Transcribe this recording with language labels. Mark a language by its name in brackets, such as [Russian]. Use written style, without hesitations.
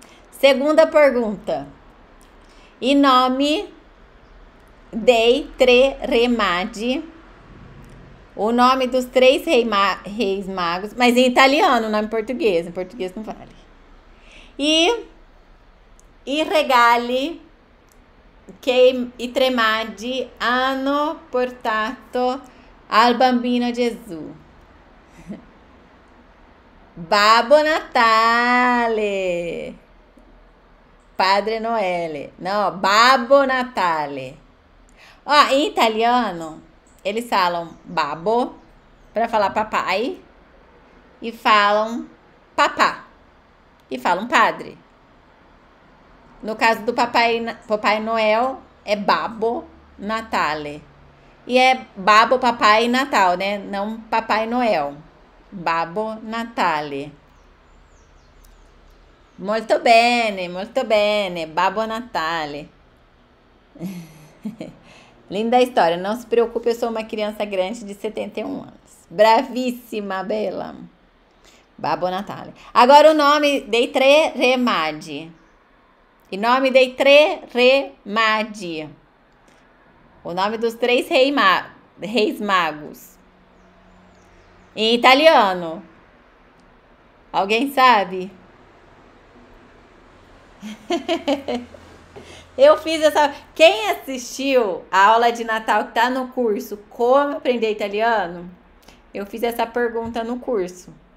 [Portuguese] Segunda pergunta. E nome? [Italian] Dei tre re magi, [Portuguese] o nome dos três reis magos, mas em italiano, não em português não vale. [Italian] E regali che i tre magi hanno portato al bambino Gesù. Babbo Natale, Padre Noele, no, Babbo Natale. [Portuguese] Ó, em italiano, eles falam babbo para falar papai e falam papà e falam padre. No caso do Papai Noel, é babbo Natale. E é babbo Papai Natal, né? Não Papai Noel. [Italian] Babbo Natale. Molto bene, molto bene. Babbo Natale. [Portuguese] Linda história, não se preocupe, eu sou uma criança grande de 71 anos. Bravíssima, Bela. Babbo Natale. Agora o nome [Italian] dei tre re magi. E nome dei tre re magi. [Portuguese] O nome dos três reis magos. Em italiano. Alguém sabe? Eu fiz essa. Quem assistiu a aula de Natal que tá no curso Como Aprender Italiano? Eu fiz essa pergunta no curso.